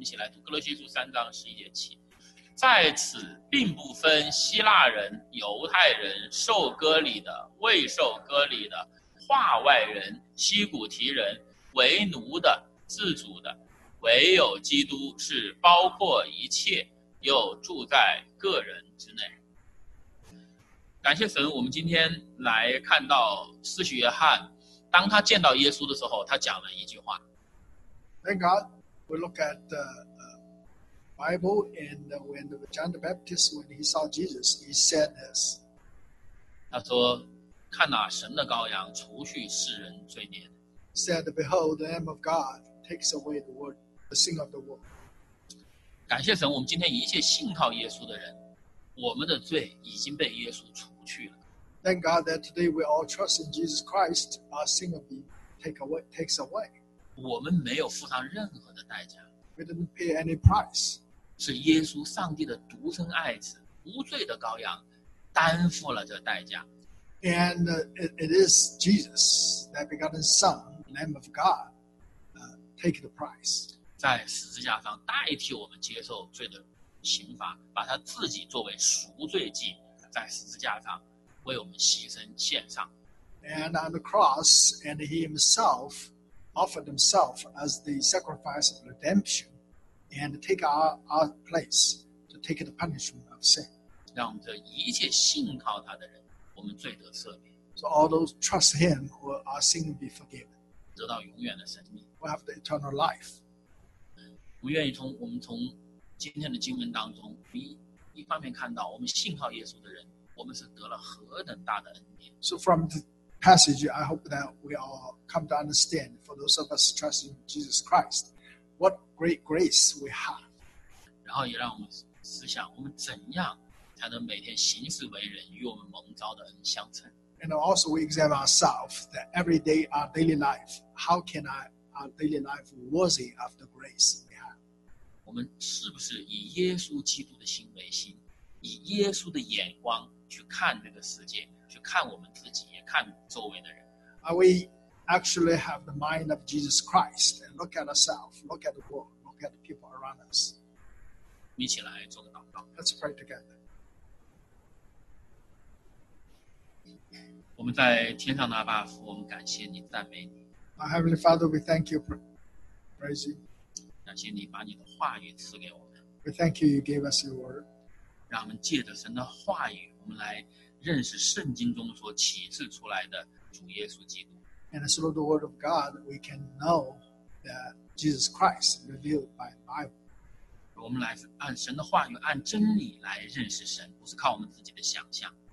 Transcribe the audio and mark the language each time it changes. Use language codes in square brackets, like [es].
[zh] 我们一起来读哥罗西书三章十一节起。在此并不分希腊人、犹太人、受割礼的、未受割礼的、化外人、希古提人、为奴的、自主的，唯有基督是包括一切，又住在个人之内。感谢神，我们今天来看到司徒约翰，当他见到耶稣的时候，他讲了一句话。 [en] Thank God, we look at the Bible, and when John the Baptist, when he saw Jesus, he said this. [zh] 他说，看哪，神的羔羊，除去世人罪孽。 [en] Said, behold, the Lamb of God takes away the world, the sin of the world. [zh] 感谢神，我们今天一切信靠耶稣的人，我们的罪已经被耶稣除去了。 [en] Thank God that today we all trust in Jesus Christ, our sin will be takes away. [zh] 我们没有付上任何的代价。 [en] We didn't pay any price. [zh] 是耶稣，上帝的独生爱子，无罪的羔羊，担负了这代价。 [en] And it is Jesus, that begotten Son, Lamb of God, take the price. [zh] 在十字架上代替我们接受罪的刑罚，把他自己作为赎罪祭，在十字架上为我们牺牲献上。 [en] And on the cross, and he himself offered himself as the sacrifice of redemption, and take our place to take the punishment of sin. [zh] 让这一切信靠他的人，我们罪得赦免。 [en] So all those trust him who are sin be forgiven. [zh] 得到永远的生命。 [en] We have the eternal life. [zh] 我愿意从我们从今天的经文当中，一方面看到我们信靠耶稣的人，我们是得了何等大的恩典。 [en] So from the passage, I hope that we all come to understand, for those of us trusting Jesus Christ, what great grace we have. [zh] 然后也让我们思想，我们怎样才能每天行事为人与我们蒙召的恩相称。 [en] And also we examine ourselves, that every day, our daily life, how can our daily life worthy of the grace? [zh] 我们是不是以耶稣基督的心为心，以耶稣的眼光去看这个世界，去看我们自己，也看周围的人。 [en] Are we actually have the mind of Jesus Christ? And look at ourselves, look at the world, look at the people around us. [zh] 一起来做个祷告。 [en] Let's pray together. [zh] 我们在天上的阿爸父，我们感谢你，赞美你。 [en] Our Heavenly Father, we thank you, praise you. [zh] 感谢你把你的话语赐给我们。 [en] We thank you, you gave us your word. [zh] 让我们借着神的话语，我们来认识圣经中所启示出来的主耶稣基督。 [en] And through the word of God, we can know that Jesus Christ revealed by the Bible. [zh] 我们来按神的话语，按真理来认识神，不是靠我们自己的想象。